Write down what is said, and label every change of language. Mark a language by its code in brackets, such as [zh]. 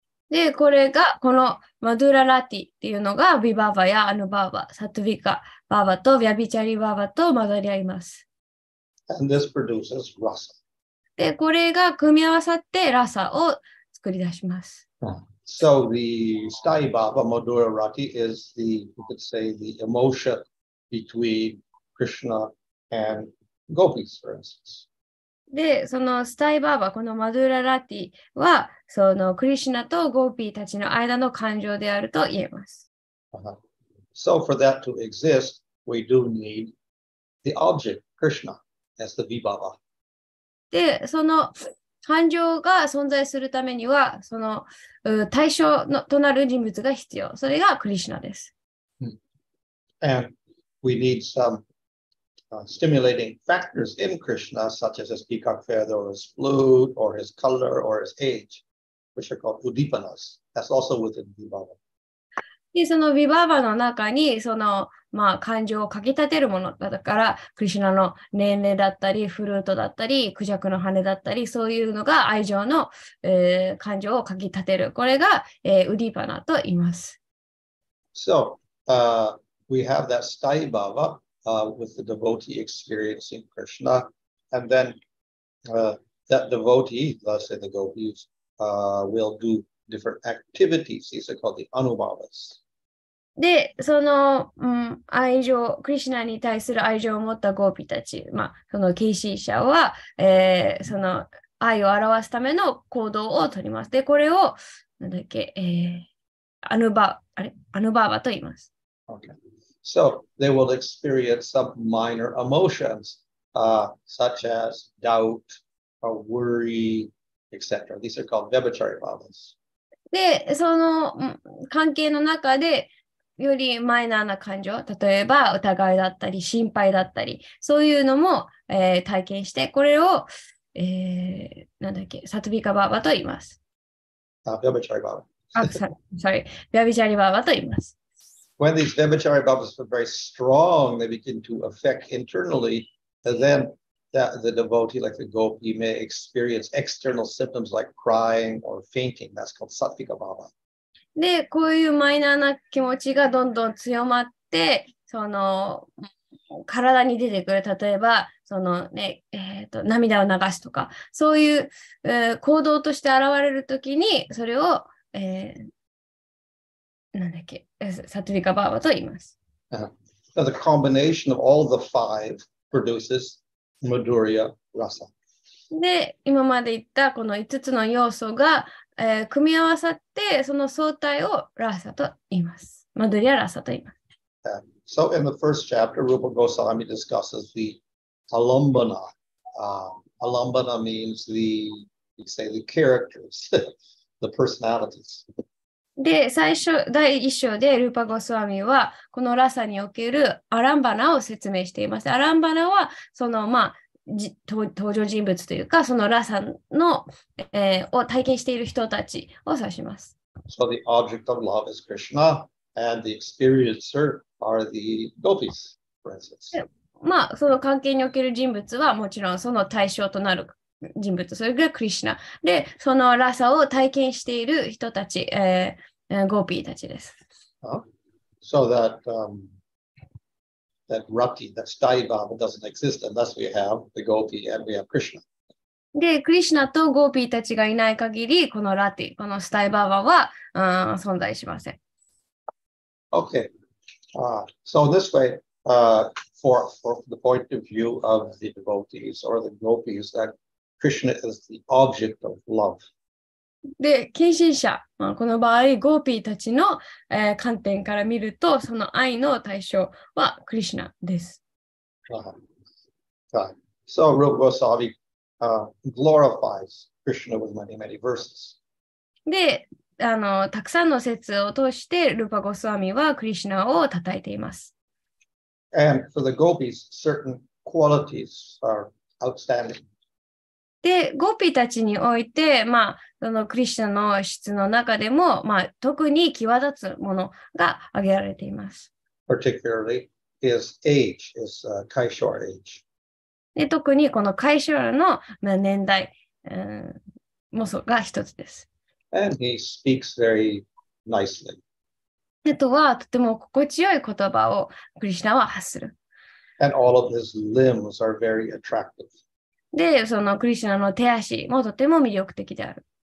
[ja] で、これが、このマドゥーラ・ラティっていうのが、Vibhava や Anubhava、Sattvika Bhava と Vyabhachari Bhava と混ざり合います。 [en] And this produces Rasa. [ja] で、これが組み合わさって Rasa を作り出します。 [en] So the Stai Bhava Madhura Rati is the, you could say, the emotion between Krishna and gopis, for instance. [ja] で、そのスタイバーバ、このマドゥーララティは、そのクリシナとゴーピーたちの間の感情であると言えます。 Uh-huh. [en] So for that to exist, we do need the object, Krishna, as the Vibhava. [ja] で、その感情が存在するためには、その対象のとなる人物が必要。それがクリシナです。 [en] And we need some... stimulating factors in Krishna, such as his peacock feather, or his flute, or his color, or his age, which are called udipanas. That's also within Vibhava. [ja] で、その Vibhava の中に、その、まあ、感情をかき立てるものだから、Krishna の年齢だったり、フルートだったり、クジャクの羽だったり、そういうのが愛情の、感情をかき立てる。これが、udipana と言います。 [en] So, we have that Stai Bhava. With the devotee experiencing Krishna, and then that devotee, let's say the gopis, will do different activities. These are called the anubhavas. [ja] で、その、愛情、クリシナに対する愛情を持ったゴーピーたち、まあ、その継承者は、その愛を表すための行動を取ります。で、これを、なんだっけ、アヌバーバと言います。 [en] Okay. So they will experience some minor emotions, such as doubt or worry, etc. These are called vibhachari bhavas. [ja] で、その関係の中でよりマイナーな感情、例えば疑いだったり心配だったり、そういうのも、体験して、これを、なんだっけ、サトビカバーバと言います。 [en] Vibhachari bhava. Sorry, [ja] vibhachari bhava と言います。 [en] When these vibhachari bhavas are very strong, they begin to affect internally, and then the devotee, like the gopi, may experience external symptoms like crying or fainting. That's called sattvika bhava. [ja] で、こういうマイナーな気持ちがどんどん強まって、その体に出てくる、例えば、そのね、涙を流すとか、そういう、行動として現れるときに、それを、なんだっけ、サトゥリカバーバと言います。 [en] Uh-huh. Now the combination of all the five produces Madhurya Rasa. [ja] で、今まで言ったこの5つの要素が、組み合わさって、その相対をラサと言います。マドゥリアラサと言います。 [en] So in the first chapter, Rupa Goswami discusses the alambana. Alambana means the, you say, the characters, the personalities. [ja] で、最初、第一章で、ルーパゴスワミは、このラサにおけるアランバナを説明しています。アランバナは、その、まあ、登場人物というか、そのラサの、を体験している人たちを指します。 [en] So the object of love is Krishna, and the experiencer are the gopis, for instance. [ja] まあ、その関係における人物は、もちろんその対象となる。人物それがクリシナでそのラサを体験している人たち、ゴーピーたちです。 [en] So that, that Rati, that Stai Bhava doesn't exist unless we have the Gopi and we have Krishna. [ja] で、クリシナとゴーピーたちがいない限り、このラティ、このスタイバーバは、存在しません。 [en] Okay. So this way,for the point of view of the devotees or the Gopis that. Krishna is the object of love. [ja] で、献身者、まあ、この場合、ゴーピーたちの、観点から見ると、その愛の対象はクリシナです。 [en] So, Rupa Goswami glorifies Krishna with many, many verses. [ja] で、たくさんの説を通して、ルパゴスワミはクリシナを称えています。 [en] And for the gopis, certain qualities are outstanding. [ja] で、ゴピーたちにおいて、まあ、そのクリシナの質の中でも、まあ、特に際立つものが挙げられています。 [en] Particularly his age, his kaishora age. [ja] で、特にこのkaishora の、まあ、年代、もそが一つです。 [en] And he speaks very nicely. [ja] あとは、とても心地よい言葉をクリシナは発する。 [en] And all of his limbs are very attractive. [ja] で、そのクリシナの手足もとても魅力的である。